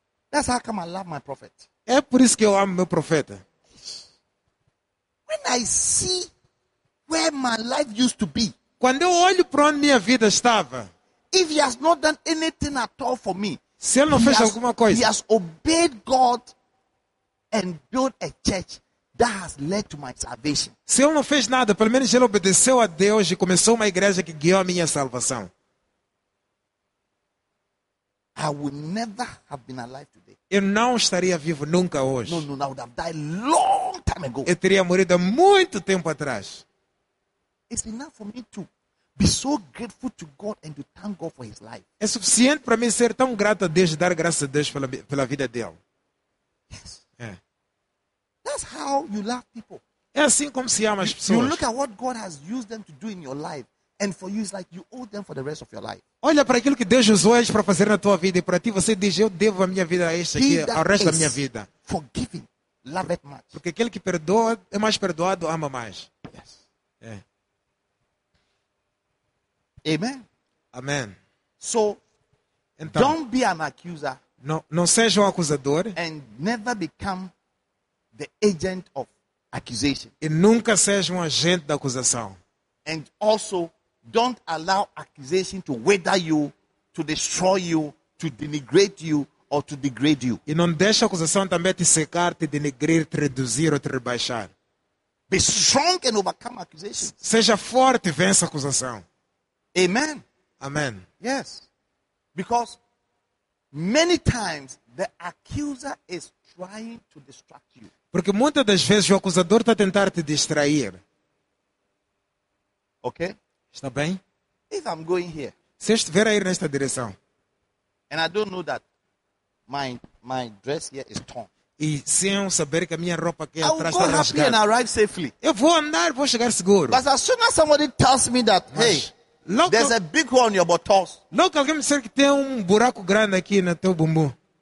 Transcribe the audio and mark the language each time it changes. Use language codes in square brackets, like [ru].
[en] That's how come I love my prophet. [pt] É por isso que eu amo meu profeta. [en] When I see where my life used to be. [pt] Quando eu olho para onde minha vida estava. [en] If he has not done anything at all for me. [pt] Se ele não fez alguma coisa. [en] He has obeyed God and built a church that has led to my salvation. [pt] Se ele não fez nada, pelo menos ele obedeceu a Deus e começou uma igreja que guiou a minha salvação. [en] I would never have been alive today. [pt] Eu não estaria vivo nunca hoje. [en] No, I would have died long time ago. [pt] Eu teria morrido muito tempo atrás. [en] It's enough for me to be so grateful to God and to thank God for his life. [pt] É suficiente para mim ser tão grato a Deus e dar graças a Deus pela vida dele. [en] Yes. [pt] É. [en] That's how you love people. [pt] É assim como se ama as pessoas. [en] You look at what God has used them to do in your life, and for you it's like you owe them for the rest of your life. [pt] Olha para aquilo que Deus usou eles para fazer na tua vida e para ti você diz eu devo a minha vida a este aqui, ao resto da minha vida. [en] Forgiving, love it much. [pt] Porque aquele que perdoa é mais perdoado, ama mais. [en] Yes. [pt] É. [en] Amen. [pt] Amen. [en] So, então, don't be an accuser. [pt] Não seja um acusador. [en] And never become the agent of accusation. [pt] E nunca seja um agente da acusação. [en] And also, don't allow accusation to weather you, to destroy you, to denigrate you, or to degrade you. [pt] E não deixe a acusação também te secar, te denigrir, te reduzir ou te rebaixar. [en] Be strong and overcome accusations. [pt] Seja forte e vença a acusação. [en] Amen. [pt] Amen. [en] Yes. Because many times the accuser is trying to distract you. [pt] Porque muitas das vezes o acusador está a tentar te distrair. [en] Ok? [pt] Está bem? [en] If I'm going here, [pt] se eu estiver a ir nesta direção, [en] and I don't know that my dress here is torn, [pt] e sem saber que a minha roupa aqui atrás está rasgada, [en] I will go happy and arrive safely. [pt] Eu vou andar, vou chegar seguro. [en] But as soon as somebody tells me that, hey, [pt] logo, [en] there's a big hole in your buttocks. [pt] Logo alguém me disser que tem buraco grande aqui no teu bumbum.